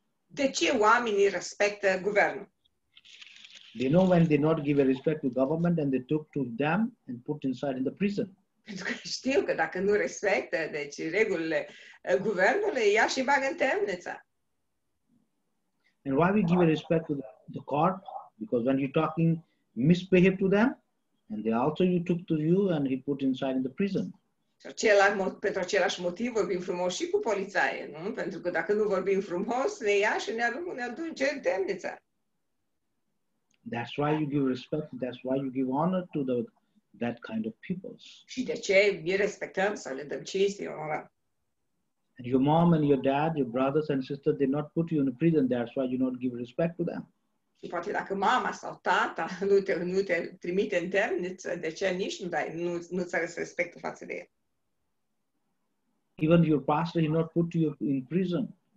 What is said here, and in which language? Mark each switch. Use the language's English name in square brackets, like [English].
[Romanian] De ce oamenii respectă guvernul? [English] They know when they not give a respect to government and they took to them and put inside in the prison. [Romanian] Pentru că știu că dacă nu respectă, deci regulile guvernului, ia și bagă în temniță. [English] And why we give a respect to the court? Because when you're talking misbehave to them, and they also you took to you and he put inside in the prison. [Romanian] Pentru același motiv vorbim frumos și cu polițaie, nu? Pentru că dacă nu vorbim frumos, ne ia și ne aduce în temniță. [English] That's why you give respect, that's why you give honor to the that kind of people. [Romanian] Și de ce îi respectăm sau le dăm cinste, onoră? [English] And your mom and your dad, your brothers and sisters, they not put you in a prison, that's why you not give respect to them. [Romanian] Și poate dacă mama sau tata nu te trimite în temniță, de ce nici nu dai, nu ți arăți respectul față de el? [English] Even your pastor, he not put you in prison.